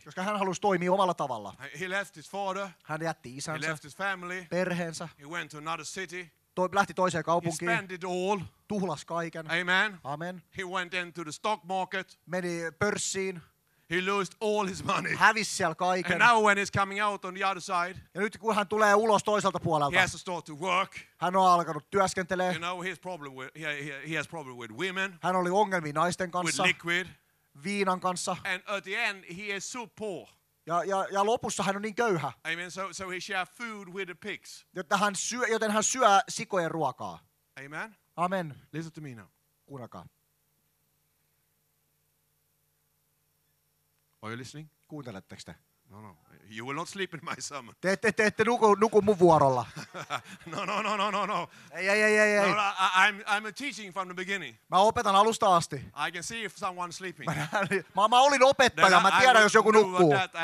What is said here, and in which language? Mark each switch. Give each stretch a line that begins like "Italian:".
Finnish: Koska hän halusi toimia omalla tavalla.
English: He left his father.
Finnish: Hän jätti isänsä.
English: He left his family.
Finnish: Perheensä.
English: He went to another city.
Finnish: Lähti toiseen kaupunkiin.
English: He spent it all.
Finnish: Tuhlas kaiken.
English: Amen.
Finnish: Amen.
English: He went into the stock market.
Finnish: Meni pörssiin.
English: He lost all his money.
Finnish: Hävisi siellä kaiken.
English: And now when he's coming out on the other side.
Finnish: Ja nyt kun hän tulee ulos toiselta puolelta.
English: He has to start to work.
Finnish: Hän on alkanut työskentelee.
English: You know, he has problem with women.
Finnish: Hän oli ongelmia naisten kanssa.
English: With liquid.
Finnish: Viinan kanssa.
English: And at the end he is so poor.
Finnish: Ja lopussa hän on niin köyhä.
English: Amen. So he share food with the pigs.
Finnish: Joten hän syö sikojen ruokaa.
English: Amen.
Finnish: Amen.
English: Listen to me now.
Finnish: Kuunnakaa.
English: Are you listening?
Finnish: Kuunteletteko te?
English: No. You will not sleep in my summer.
Finnish: Te ette nuku mun vuorolla.
English: No.
Finnish: Ei.
English: No, I'm teaching from the beginning.
Finnish: Mä opetan alusta asti.
English: I can see if someone's sleeping.
Finnish: mä olin opettaja, mä tiedän jos joku nukkuu.